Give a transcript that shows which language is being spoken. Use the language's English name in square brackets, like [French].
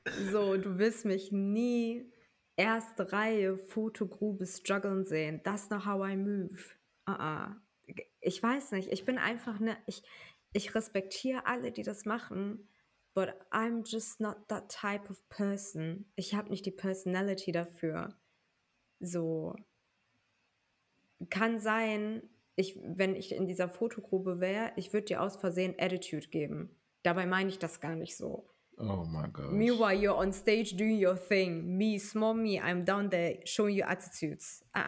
[German] So, du wirst mich nie erste Reihe Fotogrube strugglen sehen. [English] That's not how I move. [German] Ich weiß nicht, ich bin einfach ne, ich respektiere alle, die das machen. [English] But I'm just not that type of person. [German] Ich habe nicht die Personality dafür. So. Kann sein, wenn ich in dieser Fotogruppe wäre, ich würde dir aus Versehen Attitude geben. Dabei meine ich das gar nicht so. [English] Oh my God. Meanwhile, you're on stage doing your thing. Me, small me, I'm down there showing you attitudes.